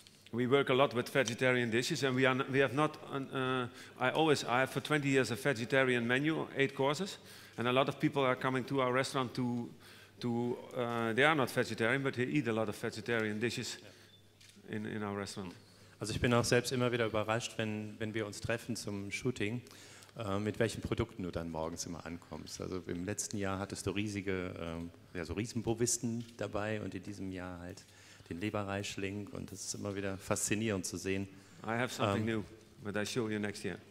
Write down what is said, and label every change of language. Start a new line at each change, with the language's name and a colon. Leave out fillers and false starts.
English: We work a lot with vegetarian dishes and I have for 20 years a vegetarian menu, 8 courses, and a lot of people are coming to our restaurant they are not vegetarian, but they eat a lot of vegetarian dishes. In our restaurant.
German: Also ich bin auch selbst immer wieder überrascht, wenn wir uns treffen zum Shooting, mit welchen Produkten du dann morgens immer ankommst. Also im letzten Jahr hattest du riesige, so Riesenbovisten dabei und in diesem Jahr halt den Leberreischling und das ist immer wieder faszinierend zu sehen.
English: I have something new, but I show you next year.